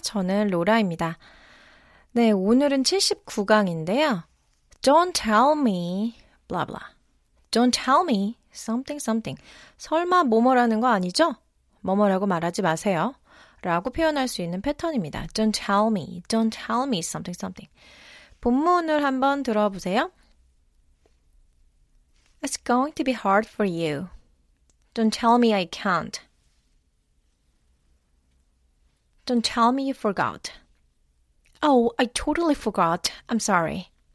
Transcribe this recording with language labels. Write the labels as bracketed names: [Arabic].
[Korean] 저는 로라입니다. 네, 오늘은 79강인데요. [English] Don't tell me, blah blah. Don't tell me something something. [Korean] 설마 뭐뭐라는 거 아니죠? 뭐뭐라고 말하지 마세요. 라고 표현할 수 있는 패턴입니다. [English] Don't tell me, don't tell me something something. [Korean] 본문을 한번 들어보세요. [English] It's going to be hard for you. Don't tell me I can't. Don't tell me you forgot. Oh, I totally forgot. I'm sorry.